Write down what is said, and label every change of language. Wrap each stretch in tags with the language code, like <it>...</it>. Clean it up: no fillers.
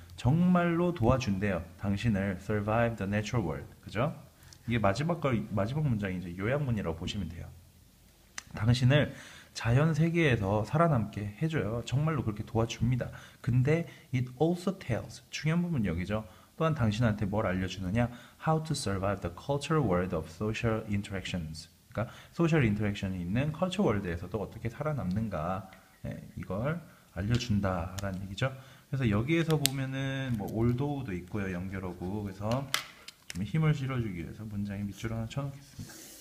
<ko>정말로 도와준대요. 당신을</ko> <en>survive the natural world.</en> <ko>그죠? 이게 마지막 걸, 마지막 문장이 이제 요약문이라고 보시면 돼요. 당신을 자연 세계에서 살아남게 해줘요. 정말로 그렇게 도와줍니다. 근데,</ko> <en>it also tells,</en> <ko>중요한 부분 여기죠? 또한 당신한테 뭘 알려주느냐?</ko> <en>How to survive the cultural world of social interactions.</en> <ko>그러니까 소셜 인터랙션이 있는 컬처 월드에서도 어떻게 살아남는가? 네, 이걸 알려준다라는 얘기죠. 그래서 여기에서 보면은 뭐 올도우도 있고요, 연결어구. 그래서 좀 힘을 실어주기 위해서 문장에 밑줄 하나 쳐놓겠습니다.</ko>